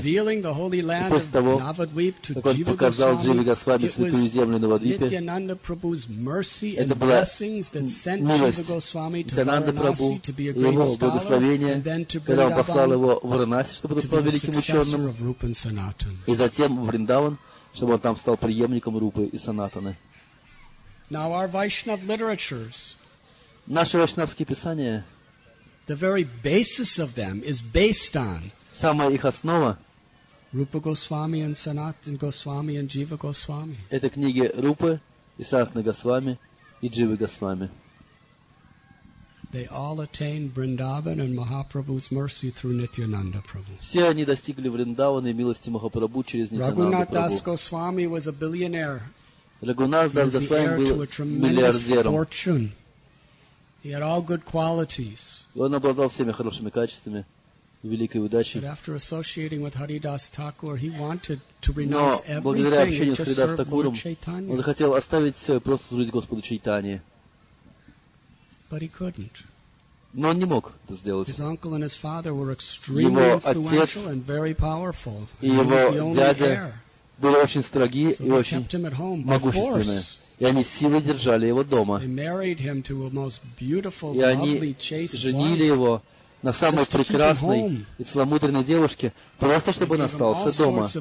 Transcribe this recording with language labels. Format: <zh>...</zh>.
<ru>И после того, как он показал Дживи Госвами святую землю Навадвипе, это была милость Нитьянанда Прабху и его благословение, когда он послал его в Варанаси, чтобы он стал великим ученым, и затем в Вриндаван, чтобы он там стал преемником Рупы и Санатаны.</ru> <en>Now our Vaishnav literatures.</en> <ru>Наши вайшнавские писания,</ru> <en>the very basis of them is based on</en> <ru>самая их основа</ru> <en>Rupa Goswami and Sanatana Goswami and Jiva Goswami.</en> <ru>Это книги Рупы и Санатана Госвами и Дживы Госвами.</ru> <en>They all attained Vrindavan and Mahaprabhu's mercy through Nityananda Prabhu.</en> <ru>Все они достигли Вриндавана и милости Махапрабху через Нитьянанда Прабху.</ru> <en>Raghunath Das Goswami was a billionaire.</en> <ru>Raghunath Das Goswami был миллиардером.</ru> <en>He had all good qualities.</en> <ru>Он обладал всеми хорошими качествами великой удачи.</ru> <en>But after associating with Haridas Thakur, he wanted to renounce everything and just serve Lord Chaitanya.</en> <ru>Он захотел оставить все и просто служить Господу Чайтане.</ru> <en>But he couldn't.</en> <ru>Но он не мог это сделать.</ru> <en>His uncle and his father were extremely influential and very powerful.</en> <ru>И его дядя был очень строги и очень могущественный. И они силой держали его дома. И они женили его на самой прекрасной и целомудренной девушке, просто чтобы он остался дома.</ru>